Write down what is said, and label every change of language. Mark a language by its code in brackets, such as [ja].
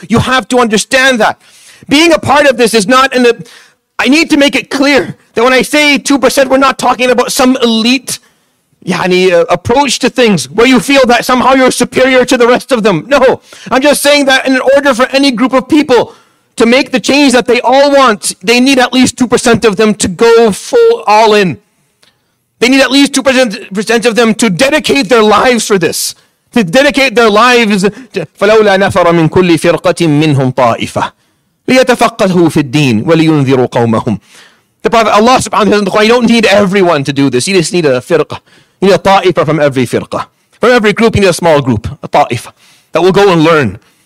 [en] You have to understand that. Being a part of this is not I need to make it clear that when I say 2%, we're not talking about some elite approach to things where you feel that somehow you're superior to the rest of them. No, I'm just saying that in order for any group of people to make the change that they all want, they need at least 2% of them to go full all in. They need at least 2% of them to dedicate their lives for this. To dedicate their lives to [ar] فَلَوْلَا نَفَرَ مِنْ كُلِّ فِرْقَةٍ مِّنْهُمْ طَائِفَةٍ لِيَتَفَقَّهُ فِي الدِّينِ وَلِيُنذِرُوا قَوْمَهُمْ. [en] The Prophet, Allah subhanahu wa ta'ala, in the Quran, you don't need everyone to do this. You just need a firqa. You need a ta'ifa from every firqa. From every group, you need a small group, a ta'ifa, that will go and learn.